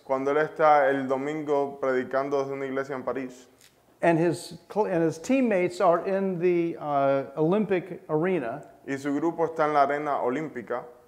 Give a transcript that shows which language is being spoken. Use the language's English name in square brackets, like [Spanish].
[Spanish] Cuando él está el domingo predicando desde una iglesia en París. [English] And his teammates are in the Olympic arena. [Spanish] Y su grupo está en la arena olímpica.